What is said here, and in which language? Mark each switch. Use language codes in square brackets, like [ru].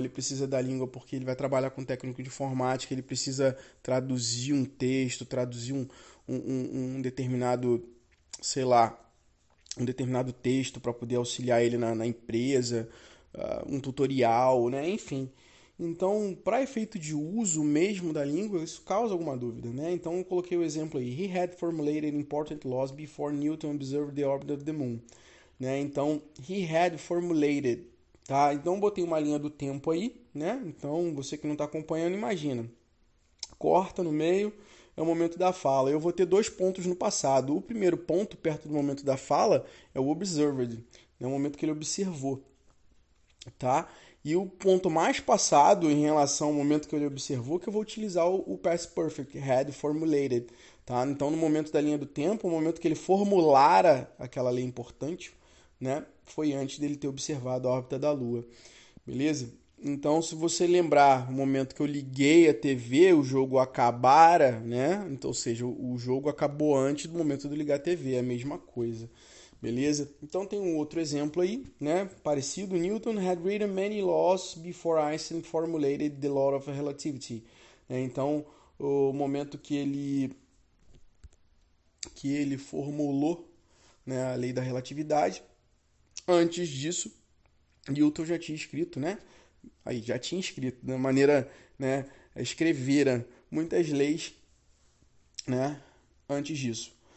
[pt] Ou ele precisa da língua porque ele vai trabalhar com técnico de informática, ele precisa traduzir um texto, traduzir um determinado, sei lá, um determinado texto para poder auxiliar ele na empresa, um tutorial, né? Enfim. Então, para efeito de uso mesmo da língua, isso causa alguma dúvida, né? Então, eu coloquei o exemplo aí. [en] He had formulated important laws before Newton observed the orbit of the moon. Né? [pt] Então, [en] he had formulated, [pt] tá? Então, botei uma linha do tempo aí, né? Então, você que não está acompanhando, imagina. Corta no meio, é o momento da fala. Eu vou ter dois pontos no passado. O primeiro ponto, perto do momento da fala, é o observed, né? É o momento que ele observou, tá? E o ponto mais passado em relação ao momento que ele observou, que eu vou utilizar o past perfect, had formulated, tá? Então, no momento da linha do tempo, o momento que ele formulara aquela lei importante, né? Foi antes dele ter observado a órbita da Lua, beleza? Então, se você lembrar o momento que eu liguei a TV, o jogo acabara, né? Então, ou seja, o jogo acabou antes do momento de ligar a TV, é a mesma coisa. Beleza? Então tem um outro exemplo aí, né? Parecido. [en] Newton had written many laws before Einstein formulated the law of relativity. [pt] É, então, o momento que ele formulou, né, a lei da relatividade, antes disso, Newton já tinha escrito, né? Aí já tinha escrito, da maneira, né, escrevera muitas leis, né, antes disso.